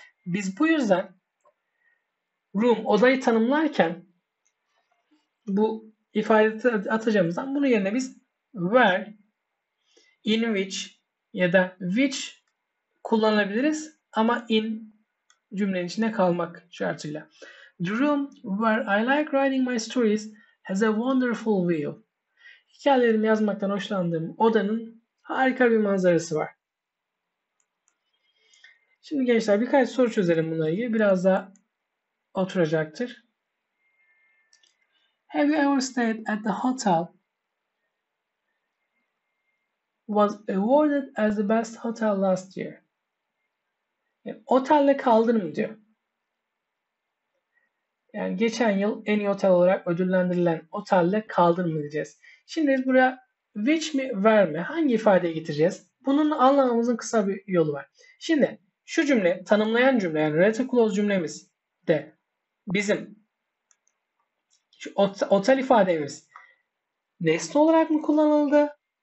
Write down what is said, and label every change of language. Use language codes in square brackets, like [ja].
[tr] Biz bu yüzden room odayı tanımlarken bu ifade atacağımızdan bunun yerine biz where, in which ya da which kullanabiliriz ama in cümlenin içinde kalmak şartıyla. [en] The room where I like writing my stories has a wonderful view. [tr] Hikayelerimi yazmaktan hoşlandığım odanın harika bir manzarası var. Şimdi gençler birkaç soru çözelim bununla ilgili. Biraz daha oturacaktır. [en] Have you ever stayed at the hotel? Was awarded as the best hotel last year. [tr] Yani, otelde kaldın mı diyor. Yani geçen yıl en iyi otel olarak ödüllendirilen otelde kaldın mı diyeceğiz. Şimdi biz buraya which mi, where mi? Hangi ifadeye getireceğiz? Bunun anlamamızın kısa bir yolu var. Şimdi şu cümle, tanımlayan cümle, yani relative clause cümlemiz de bizim şu otel ifademiz nesne olarak mı kullanıldı?